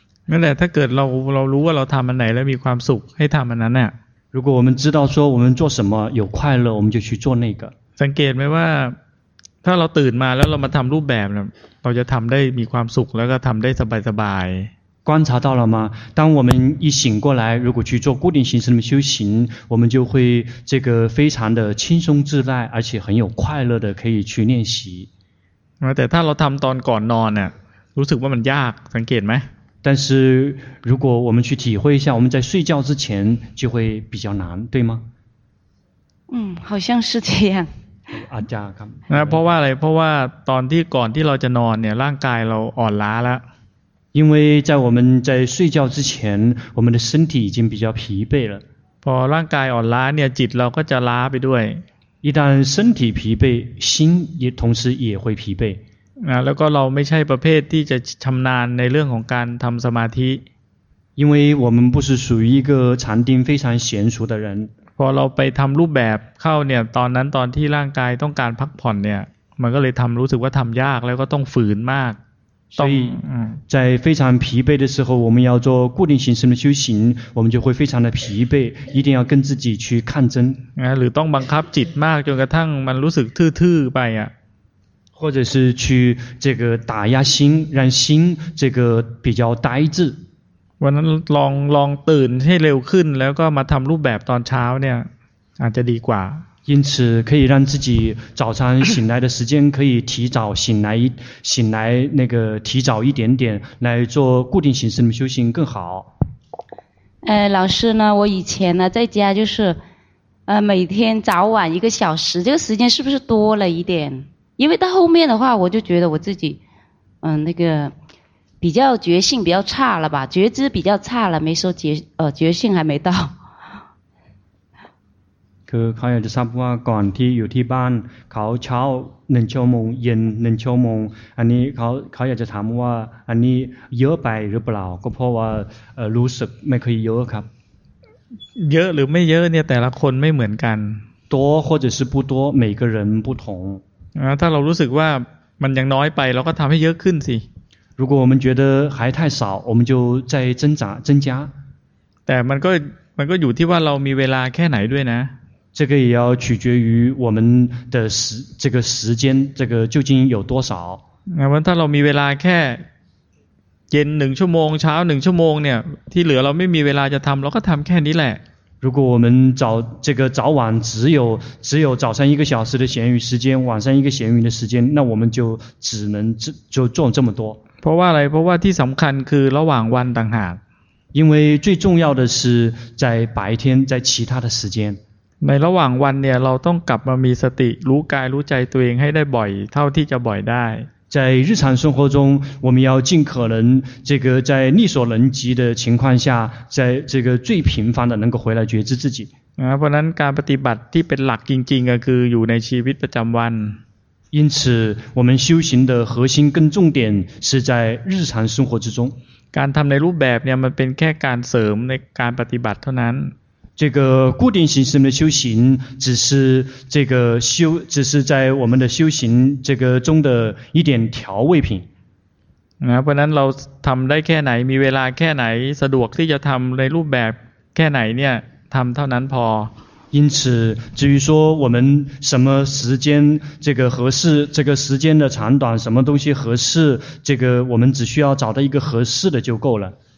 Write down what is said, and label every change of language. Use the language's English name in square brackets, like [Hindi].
[Thai] นั่นแหละถ้าเกิดเรารู้ว่าเราทำอันไหนแล้วมีความสุขให้ทำอันนั้นเนี่ย [Chinese] 如果我们知道说我们做什么有快乐，我们就去做那个。 [Thai] สังเกตไหมว่าถ้าเราตื่นมาแล้วเรามาทำรูปแบบเนี่ยเราจะทำได้มีความสุขแล้วก็ทำได้สบายสบาย [Chinese] 观察到了吗？当我们一醒过来，如果去做固定形式的修行，我们就会这个非常的轻松自在，而且很有快乐的可以去练习。 [Thai] แต่ถ้าเราทำตอนก่อนนอนเนี่ยรู้สึกว่ามันยากสังเกตไหม？ [Chinese] 但是如果我们去体会一下，我们在睡觉之前就会比较难，对吗？嗯，好像是这样。 [Thai] อาจารย์ครับ นะเพราะว่าอะไรเพราะว่าตอนที่ก่อนที่เราจะนอนเนี่ยร่างกายเราอ่อนล้าแล้ว [Chinese] 因为在我们在睡觉之前我们的身体已经比较疲惫了 [Thai] พอร่างกายอ่อนล้าเนี่ยจิตเราก็จะล้าไปด้วย [Chinese] 一旦身体疲惫心也同时也会疲惫 [Thai] นะแล้วก็เราไม่ใช่ประเภทที่จะชำนาญในเรื่องของการทำสมาธิ [Chinese] 因为我们不是属于一个禅定非常娴熟的人 [Thai] พอเราไปทำรูปแบบเข้าเนี่ยตอนนั้นตอนที่ร่างกายต้องการพักผ่อนเนี่ยมันก็เลยทำรู้สึกว่าทำยากแล้วก็ต้องฝืนมาก ต้อง [Chinese] 在非常疲惫的时候我们要做固定形式的修行我们就会非常的疲惫一定要跟自己去抗争 [Thai] หรือต้องบังคับจิตมากจนกระทั่งมันรู้สึกทื่อๆไปอ่ะ [Chinese] 或者是去这个打压心让心这个比较呆滞 [Thai] วันนั้นลองตื่นให้เร็วขึ้นแล้วก็มาทำรูปแบบตอนเช้าเนี่ยอาจจะดีกว่า [Chinese] 因此可以让自己早上醒来的时间可以提早醒来那个提早一点点来做固定形式的修行更好老师呢我以前呢在家就是每天早晚一个小时这个时间是不是多了一点因为到后面的话我就觉得我自己那个比较觉性比较差了吧觉知比较差了没说觉性还没到 [Thai] คือเขาอยากจะทราบว่าก่อนที่อยู่ที่บ้านเขาเช้า1ชั่วโมงเย็น1ชั่วโมงอันนี้เขาอยากจะถามว่าอันนี้เยอะไปหรือเปล่าก็เพราะว่ารู้สึกไม่เคยเยอะครับ เยอะหรือไม่เยอะเนี่ยแต่ละคนไม่เหมือนกัน ตัว [Chinese] 或者是不多每个人不同 [Thai] ถ้าเรารู้สึกว่ามันยังน้อยไปเราก็ทำให้เยอะขึ้นสิ [Chinese] 如果我们觉得还太少我们就再增加 [Thai] แต่มันก็อยู่ที่ว่าเรามีเวลาแค่ไหนด้วยนะ [Chinese] 这个也要取决于我们的这个时间这个究竟有多少 [Thai] แต่ว่าถ้าเรามีเวลาแค่เย็น1ชั่วโมงเช้า1ชั่วโมงเนี่ยที่เหลือเราไม่มีเวลาจะทำเราก็ทำแค่นี้แหละ [Chinese] 如果我们早这个早晚只有早上一个小时的闲余时间晚上一个闲余的时间那我们就只能就做这么多 [Thai] เพราะว่าอะไรเพราะว่าที่สำคัญคือระหว่างวันต่างหาก [Chinese] 因为最重要的是在白天在其他的时间 [Thai] ในระหว่างวันเนี่ยเราต้องกลับมามีสติรู้กายรู้ใจตัวเองให้ได้บ่อยเท่าที่จะบ่อยได้ [Chinese] 在日常生活中我们要尽可能这个在力所能及的情况下在这个最频繁的能够回来觉知自己 [Thai] เพราะนั้นการปฏิบัติที่เป็นหลักจริงๆก็คืออยู่ในชีวิตประจำวัน [Chinese] 因此我们修行的核心跟重点是在日常生活之中 [Thai] การทำในรูปแบบเนี่ยมันเป็นแค่การเสริมในการปฏิบัติเท่านั้น [Chinese] 这个固定形式的修行只是这个修只是在我们的修行这个中的一点调味品 [Thai] นะเพราะนั้นเราทำได้แค่ไหนมีเวลาแค่ไหนสะดวกที่จะทำในรูปแบบแค่ไหนเนี่ยทำเท่านั้นพอ [Chinese] 因此至于说我们什么时间这个合适这个时间的长短什么东西合适这个我们只需要找到一个合适的就够了